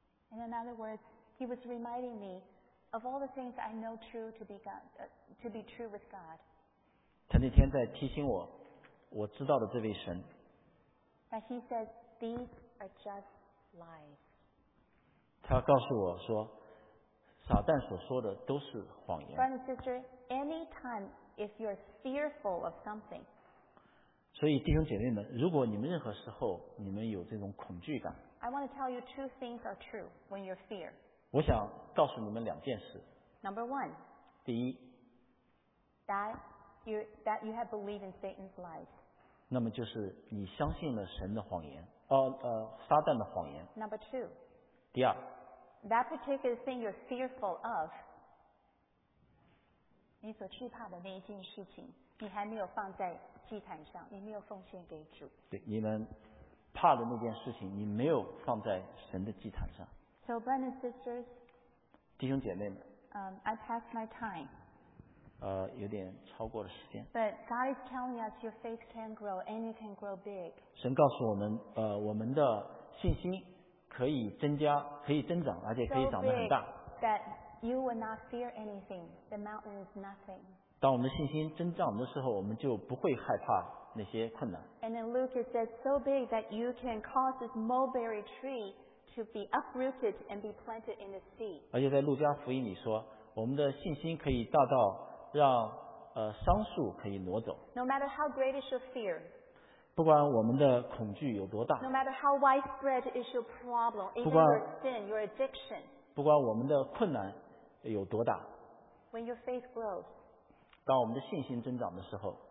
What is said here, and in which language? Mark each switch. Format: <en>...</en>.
<en>In other words, he was reminding me of all the things I know true to be, to be true with God.</en> <zh>他那天在提醒我，我知道的这位神。</zh> <en>But he says, these are just lies.</en> <zh>他告诉我说，撒旦所说的都是谎言。</zh> <en>Brother and sister, anytime if you're fearful of something,</en> <zh>所以弟兄姐妹们如果你们任何时候你们有这种恐惧感</zh> <en>I want to tell you two things are true when you're fear</en> <zh>我想告诉你们两件事</zh> <en>Number one</en> <zh>第一</zh> <en>that you have believed in Satan's lies</en> <zh>那么就是你相信了神的谎言撒旦的谎言</zh> <en>Number two</en> <zh>第二</zh> <en>that particular thing you're fearful of</en> <zh>你所惧怕的那一件事情你还没有放在祭坛上，你没有奉献给主。对，你们怕的那件事情，你没有放在神的祭坛上。</zh> <en>So, brothers and sisters,</en> <zh>弟兄姐妹们</zh> <en>I passed my time.</en> <zh>有点超过了时间。</zh> <en>But God is telling us your faith can grow and you can grow big.</en> <zh>神告诉我们，我们的信心可以增加，可以增长，而且可以长得很大。</zh> <en>So big that you will not fear anything. The mountain is nothing.</en> <zh>当我们信心增长的时候我们就不会害怕那些困难</zh> <en>and then Luke said so big that you can cause this mulberry tree to be uprooted and be planted in the sea</en> <zh>而且在路加福音里说我们的信心可以大到让桑树可以挪走</zh> <en>no matter how great is your fear</en> <zh>不管我们的恐惧有多大</zh> <en>no matter how widespread is your problem even your sin, your addiction</en> <zh>不管我们的困难有多大</zh> <en>when your faith grows</en> <zh>当我们的信心增长的时候</zh>